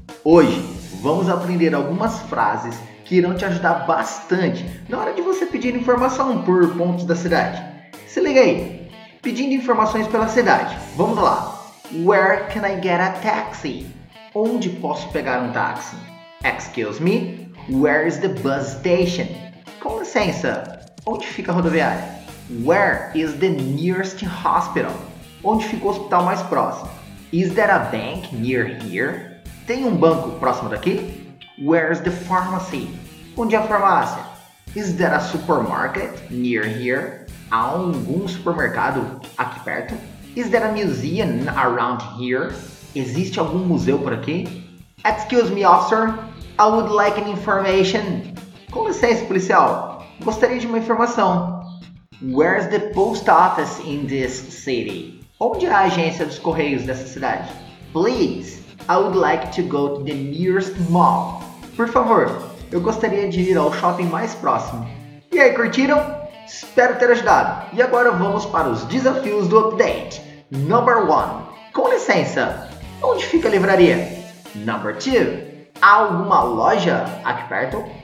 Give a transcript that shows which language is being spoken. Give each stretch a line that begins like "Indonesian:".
Portuguese: Hoje, vamos aprender algumas frases que irão te ajudar bastante na hora de você pedir informação por pontos da cidade. Se liga aí, pedindo informações pela cidade. Vamos lá!
English: Where can I get a taxi?
Portuguese: Onde posso pegar um táxi?
English: Excuse me, where is the bus station?
Portuguese: Com licença, onde fica a rodoviária?
English: Where is the nearest hospital?
Portuguese: Onde fica o hospital mais próximo?
English: Is there a bank near here?
Portuguese: Tem um banco próximo daqui?
English: Where's the pharmacy?
Portuguese: Onde é a farmácia?
English: Is there a supermarket near here?
Portuguese: Há algum supermercado aqui perto?
English: Is there a museum around here?
Portuguese: Existe algum museu por aqui?
English: Excuse me, officer. I would like an information.
Portuguese: Com licença, policial. Gostaria de uma informação.
English: Where's the post office in this city?
Portuguese: Onde é a agência dos correios dessa cidade?
English: Please, I would like to go to the nearest mall.
Portuguese: Por favor, eu gostaria de ir ao shopping mais próximo. E aí, curtiram? Espero ter ajudado. E agora vamos para os desafios do update.
English: Number 1.
Portuguese: Com licença, onde fica a livraria?
English: Number 2.
Portuguese: Há alguma loja aqui perto?